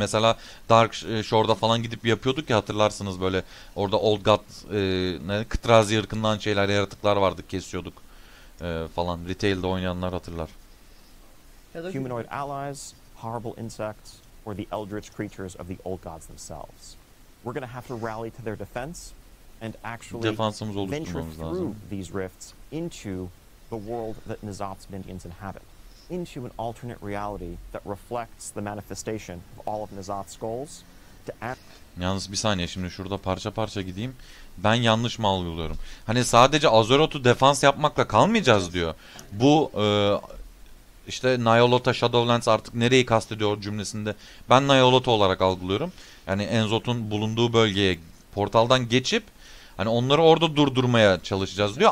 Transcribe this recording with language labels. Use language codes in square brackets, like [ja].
[tr] Mesela Dark Shore'da falan gidip yapıyorduk ya, hatırlarsınız, böyle orada Old God Kıtrazi ırkından şeyler, yaratıklar vardı, kesiyorduk falan. Retail'de oynayanlar hatırlar. [en] Humanoid allies, horrible insects, or the eldritch creatures of the old gods themselves. We're gonna have to rally to their defense and actually [tr] defansımız [en] venture through lazım these rifts into the world that N'Zoth's minions inhabit. Into an alternate reality that reflects the manifestation of all of N'Zoth's goals. [tr] Yalnız bir saniye, şimdi şurada parça parça gideyim. Ben yanlış mı algılıyorum? Hani sadece Azeroth'u defans yapmakla kalmayacağız diyor. Bu işte Nyalotha Shadowlands artık nereyi kastediyor cümlesinde. Ben Nyalotha olarak algılıyorum. Yani N'Zoth'un bulunduğu bölgeye portaldan geçip hani onları orada durdurmaya çalışacağız diyor.